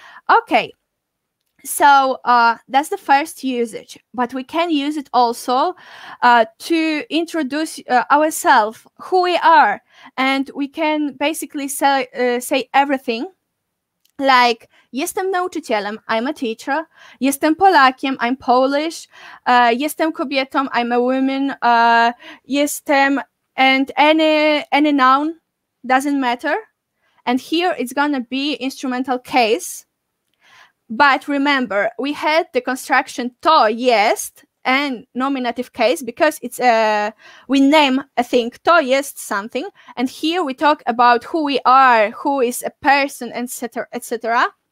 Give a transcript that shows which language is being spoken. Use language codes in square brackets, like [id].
[en] Okay, so that's the first usage, but we can use it also to introduce ourselves, who we are, and we can basically say everything, like, [pl] jestem nauczycielem, [en] I'm a teacher. [pl] Jestem Polakiem, [en] I'm Polish. [pl] Jestem kobietą, [en] I'm a woman. Jestem, and any noun, doesn't matter. And here it's gonna be instrumental case. But remember, we had the construction to jest and nominative case because it's we name a thing to jest something, and here we talk about who we are, who is a person, etc., etc.